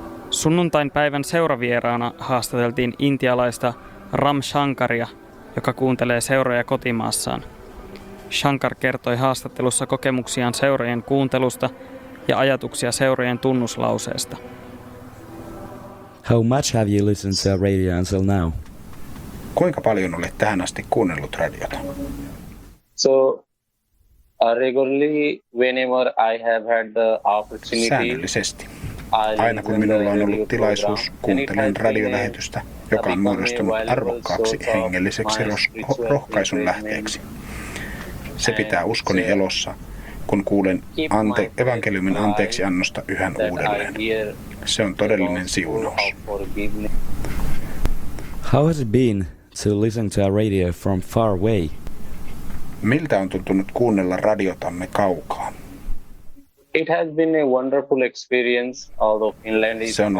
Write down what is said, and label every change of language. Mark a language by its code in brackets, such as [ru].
[fi] Sunnuntain päivän seuravieraana haastateltiin intialaista Ram Shankaria, joka kuuntelee seuroja kotimaassaan. Shankar kertoi haastattelussa kokemuksiaan seurojen kuuntelusta ja ajatuksia seurojen tunnuslauseesta. [en] How much have you listened to radio until now? [fi] Kuinka paljon olet tähän asti kuunnellut radiota? [en] So regularly whenever I have had the opportunity. [fi] Säännöllisesti. Aina kun minulla on ollut tilaisuus, kuuntelen radiolähetystä, joka on muodostunut arvokkaaksi hengelliseksi rohkaisun lähteeksi. Se pitää uskoni elossa, kun kuulen evankeliumin anteeksiannosta yhä uudelleen. Se on todellinen siunaus. [en] How has it been to listen to a radio from far away? [fi] Miltä on tuntunut kuunnella radiotamme kaukaa? [en] It has been a wonderful experience, although Finland is